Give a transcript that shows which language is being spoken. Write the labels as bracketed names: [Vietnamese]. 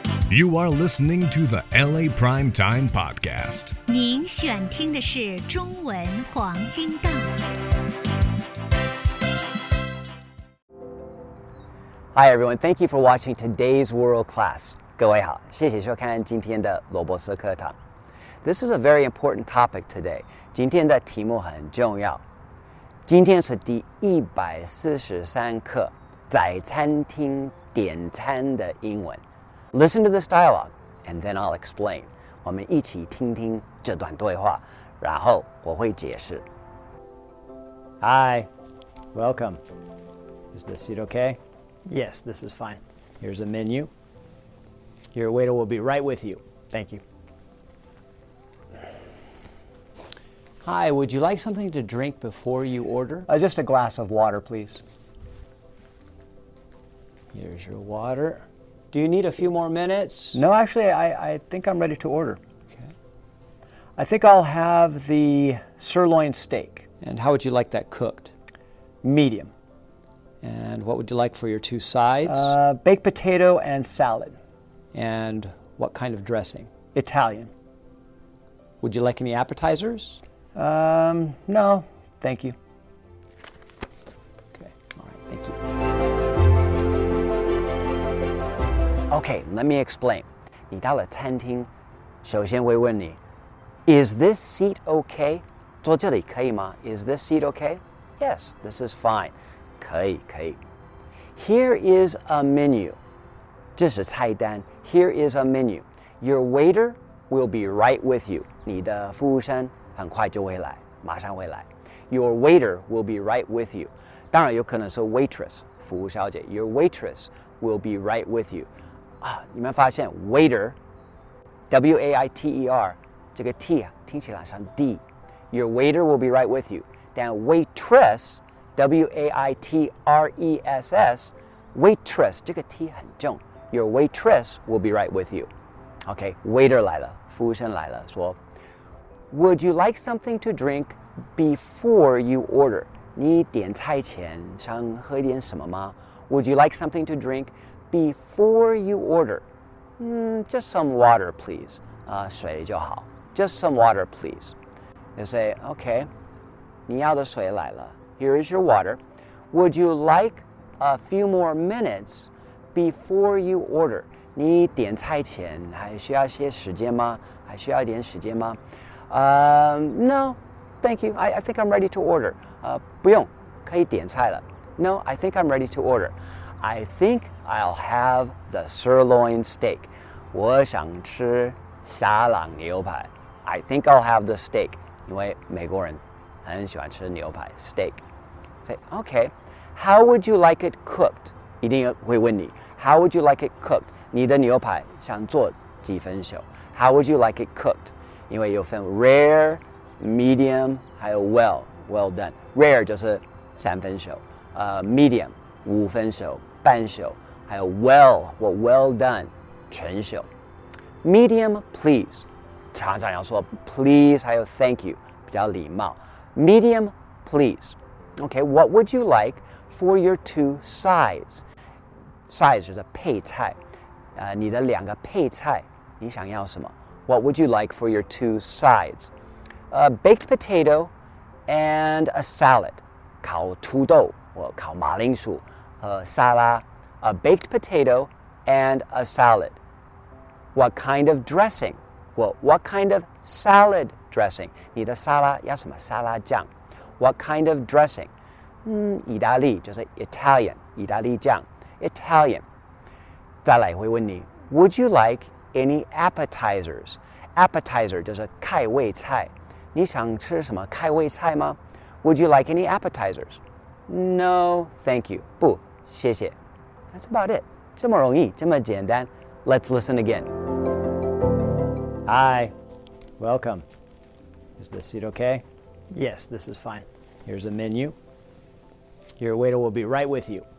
[English] You are listening to the LA Prime Time Podcast. [Chinese] 您选听的是中文黄金档。 [English] Hi everyone, thank you for watching today's world class. [Chinese] 各位好，谢谢收看今天的罗博思课堂。 [English] This is a very important topic today. [Chinese] 今天的题目很重要。今天是第143课，在餐厅点餐的英文。 [English] Listen to this dialogue, and then I'll explain. [Chinese] 我们一起听听这段对话，然后我会解释。 [English] Hi, welcome. Is this seat okay? Yes, this is fine. Here's a menu. Your waiter will be right with you. Thank you. Hi, would you like something to drink before you order? Just a glass of water, please. Here's your water. Do you need a few more minutes? No, actually, I think I'm ready to order. Okay. I think I'll have the sirloin steak. And how would you like that cooked? Medium. And what would you like for your two sides? Baked potato and salad. And what kind of dressing? Italian. Would you like any appetizers? No, thank you. Okay, all right, thank you. Okay, let me explain. [Chinese] 你到了餐厅，首先会问你 [English] Is this seat okay? [Chinese] 坐这里可以吗 [English] Is this seat okay? Yes, this is fine. [Chinese] 可以，可以。 [English] Here is a menu. [Chinese] 这是菜单。 [English] Here is a menu. Your waiter will be right with you. [Chinese] 你的服务生很快就会来，马上会来。 [English] Your waiter will be right with you. [Chinese] 当然有可能是 waitress, 服务小姐。 [English] Your waitress will be right with you. [Chinese] 啊，你们发现 waiter, W-A-I-T-E-R, 这个 T 听起来像 D. [English] Your waiter will be right with you. [Chinese] 但 [English] waitress, W-A-I-T-R-E-S-S, waitress, [Chinese] 这个 T 很重. [English] Your waitress will be right with you. Okay, waiter [Chinese] 来了，服务生来了，说 [English] Would you like something to drink before you order? [Chinese] 你点菜前想喝点什么吗？ [English] Would you like something to drink? Before you order, just some water, please. [Chinese] 水就好 [English] Just some water, please. They say, okay, [Chinese] 你要的水来了 [English] Here is your water. Would you like a few more minutes before you order? [Chinese] 你点菜前还需要些时间吗还需要点时间吗 [English] No, thank you. I think I'm ready to order. [Chinese] 不用可以点菜了 [English] No, I think I'm ready to order. I think I'll have the sirloin steak. [Chinese] 我想吃沙朗牛排。 [English] I think I'll have the steak. [Chinese] 因为美国人很喜欢吃牛排 steak. [English] Say, okay, how would you like it cooked? [Chinese] 一定会问你 [English] How would you like it cooked? [Chinese] 你的牛排想做几分熟 [English] How would you like it cooked? [Chinese] 因为有分 rare, medium, 还有 well done. Rare 就是三分熟、medium. 五分熟半熟还有 well done, 全熟 [English] Medium, please. [Chinese] 常常要说 please, 还有 thank you, 比较礼貌 [English] Medium, please. Okay, what would you like for your two sides? [Chinese] Sides 就是配菜、你的两个配菜你想要什么 [English] What would you like for your two sides? A baked potato and a salad. [Chinese] 烤土豆或烤马铃薯沙拉 [English] a baked potato, and a salad. What kind of dressing? Well, what kind of salad dressing? [Chinese] 你的沙拉要什么沙拉酱 [English] What kind of dressing? [Chinese] 意大利就是 Italian, 意大利酱 Italian. 再来会问你 [English] Would you like any appetizers? [Chinese] Appetizer 就是开胃菜你想吃什么开胃菜吗 [English] Would you like any appetizers? No, thank you. [Chinese] 不谢谢 [English] That's about it. [Chinese] 这么容易，这么简单。 [English] Let's listen again. Hi, welcome. Is this seat okay? Yes, this is fine. Here's a menu. Your waiter will be right with you.